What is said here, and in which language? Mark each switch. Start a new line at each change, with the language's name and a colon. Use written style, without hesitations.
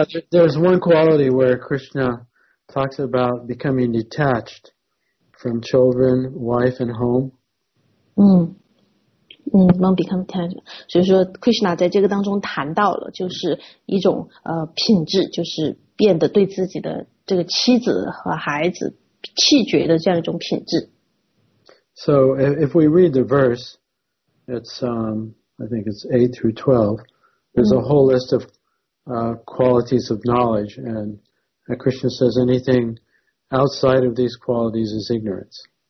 English: There's one quality where Krishna talks about becoming detached from children, wife, and home.
Chinese: 能
English: become detached.
Chinese: 所以说 Krishna 在这个当中谈到了就是一种品质，就是变得对自己的这个妻子和孩子弃绝的这样一种品质。
English: So if we read the verse, it's I think it's 8 through 12. There's a whole list of qualities of knowledge, and Krishna says anything outside of these qualities is ignorance.